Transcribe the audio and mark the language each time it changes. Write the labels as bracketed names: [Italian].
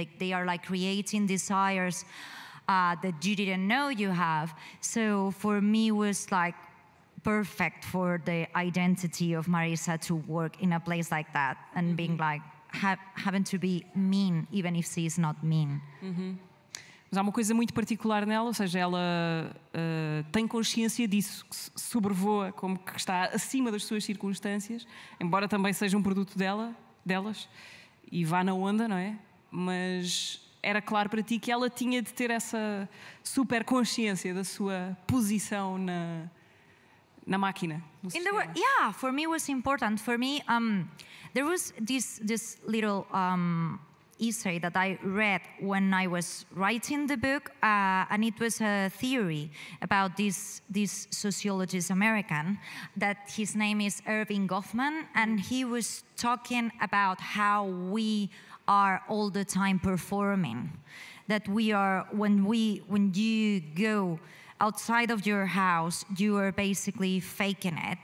[English] Like they are like creating desires that you didn't know you have. So for me it was like perfect for the identity of Marisa to work in a place like that and mm-hmm. being like, having to be mean, even if she is not mean. Uhum. [Portuguese] Mas há uma coisa muito particular nela, ou seja, ela tem consciência disso, que sobrevoa, como que está acima das suas circunstâncias, embora também seja um produto delas, e vá na onda, não é? Mas era claro para ti que ela tinha de ter essa super consciência da sua posição na máquina. [English] In the world, yeah, for me it was important. For me, there was this little essay that I read when I was writing the book, and it was a theory about this sociologist American, that his name is Irving Goffman, and he was talking about how we are all the time performing, that we are, when you go outside of your house, you are basically faking it.